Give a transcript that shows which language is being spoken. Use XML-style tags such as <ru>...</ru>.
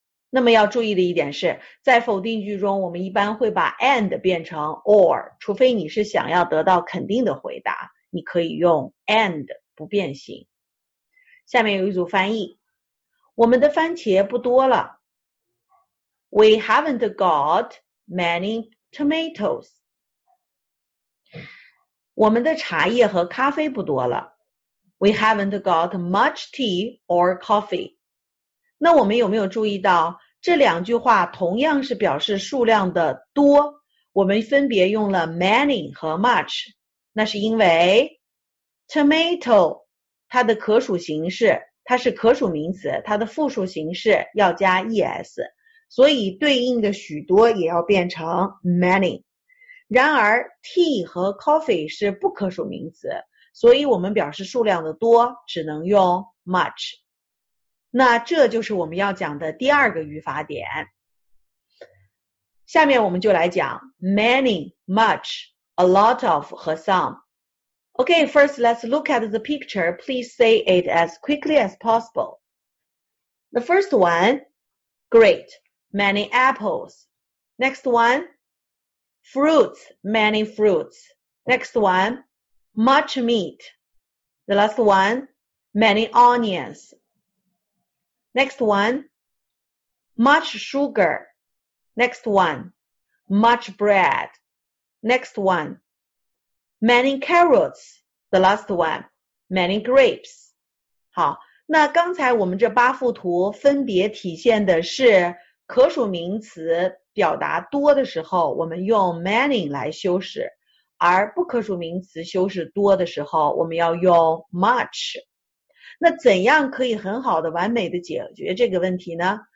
<zh>那么要注意的一点是，在否定句中我们一般会把 and 变成 or, 除非你是想要得到肯定的回答，你可以用 and 不变形。下面有一组翻译，我们的番茄不多了。</zh> <en>We haven't got many tomatoes.</en> <zh>我们的茶叶和咖啡不多了。</zh> <en>We haven't got much tea or coffee.</en> <zh>那我们有没有注意到，这两句话同样是表示数量的多，我们分别用了 many 和 much, 那是因为 tomato,它的可数形式，它是可数名词，它的复数形式要加 es, 所以对应的许多也要变成 many。然而 tea 和 coffee 是不可数名词，所以我们表示数量的多只能用 much。那这就是我们要讲的第二个语法点。下面我们就来讲 many, much, a lot of 和 some。</zh> <en>Okay, first let's look at the picture. Please say it as quickly as possible. The first one, great, many apples. Next one, fruits, many fruits. Next one, much meat. The last one, many onions. Next one, much sugar. Next one, much bread. Next one,Many carrots, the last one, many grapes.</en> <zh>好，那刚才我们这八幅图分别体现的是可数名词表达多的时候，我们用 many 来修饰，而不可数名词修饰多的时候，我们要用 much。那怎样可以很好的、完美的解决这个问题呢？</zh>